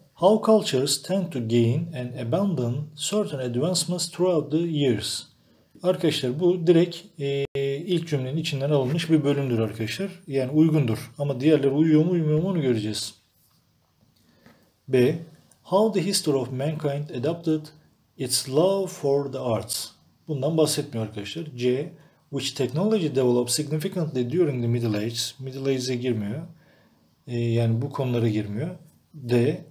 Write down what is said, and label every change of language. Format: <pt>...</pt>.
<en>How cultures tend to gain and abandon certain advancements throughout the years.</en> <tr>Arkadaşlar bu direkt ilk cümlenin içinden alınmış bir bölümdür arkadaşlar. Yani uygundur. Ama diğerleri uyuyor mu uymuyor mu onu göreceğiz. B.</tr> <en>How the history of mankind adapted its love for the arts.</en> <tr>Bundan bahsetmiyor arkadaşlar.</tr> <en>C. Which technology developed significantly during the Middle Ages.</en> <tr>Middle Ages'e girmiyor. Yani bu konulara girmiyor. D.</tr>